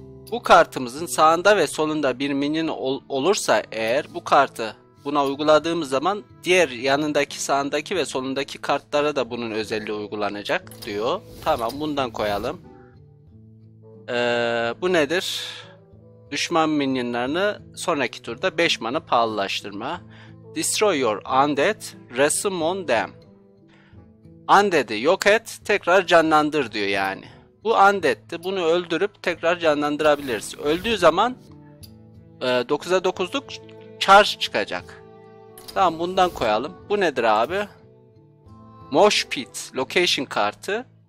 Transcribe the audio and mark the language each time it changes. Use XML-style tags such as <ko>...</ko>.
<tr>Bu kartımızın sağında ve solunda bir minion olursa eğer, bu kartı buna uyguladığımız zaman diğer yanındaki, sağındaki ve solundaki kartlara da bunun özelliği uygulanacak diyor. Tamam, bundan koyalım. Bu nedir? Düşman minionlarını sonraki turda 5 mana pahalılaştırma.</tr> <en>Destroy your undead, resummon them.</en> <tr>Undead'i yok et, tekrar canlandır diyor yani. Bu Undead'ti, bunu öldürüp tekrar canlandırabiliriz. Öldüğü zaman 9'a 9'luk charge çıkacak. Tamam, bundan koyalım. Bu nedir abi? Mosh Pit, location kartı.</tr>